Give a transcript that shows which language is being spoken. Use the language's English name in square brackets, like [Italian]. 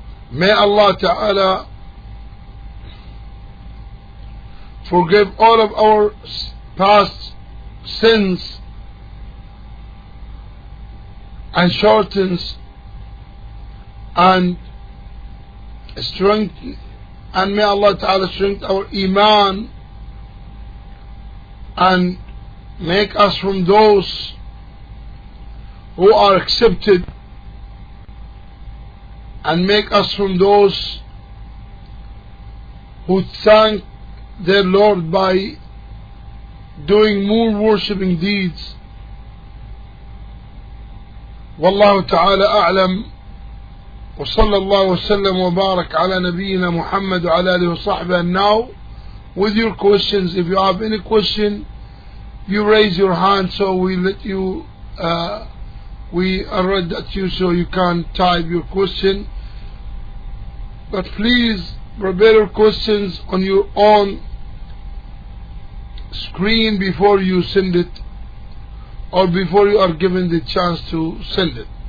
[English] May Allah Ta'ala forgive all of our past sins and shortens and strength, and may Allah Ta'ala strengthen our iman and make us from those who are accepted, and make us from those who thank their Lord by doing more worshipping deeds. [Arabic] Wallahu Ta'ala A'lam. وصلى الله وسلم وبارك على نبينا محمد وعلى آله وصحبه. [English] And now with your questions, if you have any question, you raise your hand so we let you we read at you so you can type your question. But please prepare your questions on your own screen before you send it, or before you are given the chance to send it.